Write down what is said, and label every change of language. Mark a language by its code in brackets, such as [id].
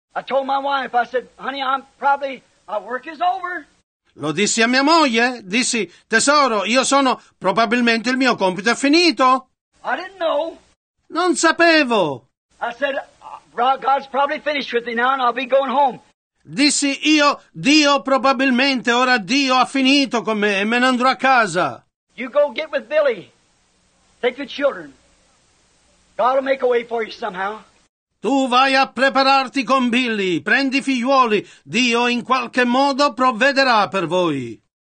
[en] I told my wife, I said, honey, I'm probably, my work is over. [it] Lo dissi a mia moglie, dissi, tesoro, io sono, probabilmente il mio compito è finito. [en] I didn't know. [it] Non sapevo. [en] I said, God's probably finished with me now and I'll be going home. [it] Dissi, io, Dio probabilmente, ora Dio ha finito con me e me ne andrò a casa. [en] You go get with Billy. Take your children. God will make a way for you somehow. [it] Tu vai a prepararti con Billy, prendi i figliuoli, Dio in qualche modo provvederà per voi.